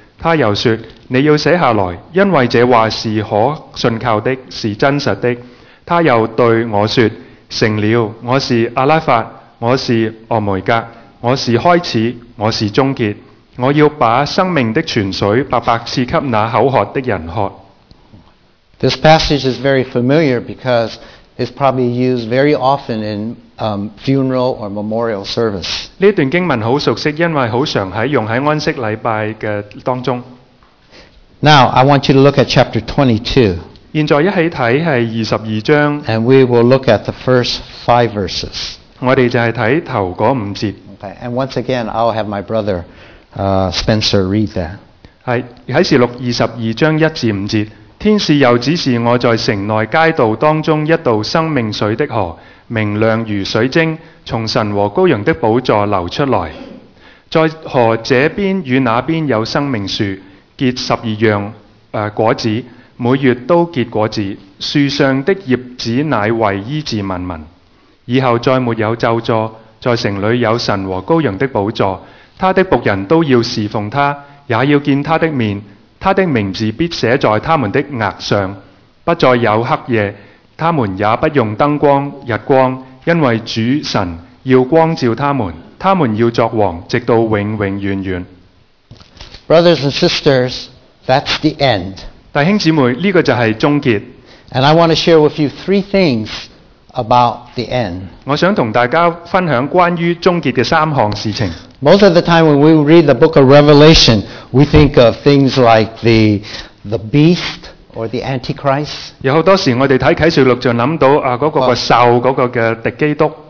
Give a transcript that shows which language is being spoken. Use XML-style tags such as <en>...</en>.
<zh>他又说，你要写下来，因为这话是可信靠的，是真实的。他又对我说，成了，我是阿拉法，我是俄梅格，我是开始，我是终结。我要把生命的泉水白白赐给那口渴的人喝。</zh> <en>This passage is very familiar because it's probably used very often in funeral or memorial service.</en> <zh>这段经文很熟悉，因为很常在用在安息礼拜的当中。</zh> <en>Now, I want you to look at chapter 22.</en> <zh>现在一起看是22章。</zh> <en>And we will look at the first five verses.</en> <zh>我们就是看头那五节。</zh> <en>Okay, and once again, I'll have my brother, Spencer read that.</en> <zh>启示录22章1至5节。天使又指示我在城内街道当中一道生命水的河，明亮如水晶，从神和羔羊的宝座流出来。在河这边与那边有生命树，结十二样果子，每月都结果子，树上的叶子乃为医治万民。以后再没有咒诅，在城里有神和羔羊的宝座，他的仆人都要侍奉他，也要见他的面，他的名字必写在他们的额上，不再有黑夜，他们也不用灯光、日光，因为主神要光照他们，他们要作王，直到永永远远。</zh> <en>Brothers and sisters, that's the end.</en> <zh>弟兄姊妹，这个就是终结。</zh> <en>And I want to share with you three things about the end.</en> <zh>我想跟大家分享关于终结的三项事情。</zh> <en>Most of the time when we read the book of Revelation, we think of things like the beast or the antichrist.</en> <zh>有很多时候我们看启示录就想到那个兽，那个的敌基督。</zh>